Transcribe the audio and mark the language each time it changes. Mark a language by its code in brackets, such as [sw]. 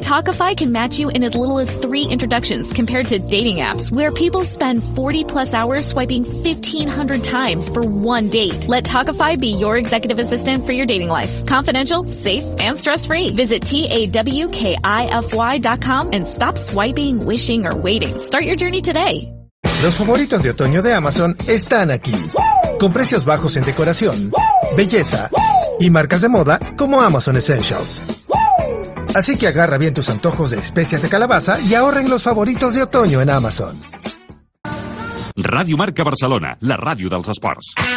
[en] Talkify can match you in as little as 3 introductions compared to dating apps, where people spend 40 plus hours swiping 1,500 times for one date. Let Talkify be your executive assistant for your dating life. Confidential, safe, and stress-free. Visit TAWKIFY.com and stop swiping, wishing, or waiting. Start your journey today. [es] Los favoritos de otoño de Amazon están aquí. Con precios bajos en decoración, belleza y marcas de moda como Amazon Essentials. Así que agarra bien tus antojos de especias de calabaza y ahorren los favoritos de otoño en Amazon. [ca] Radio Marca Barcelona, la radio dels esports.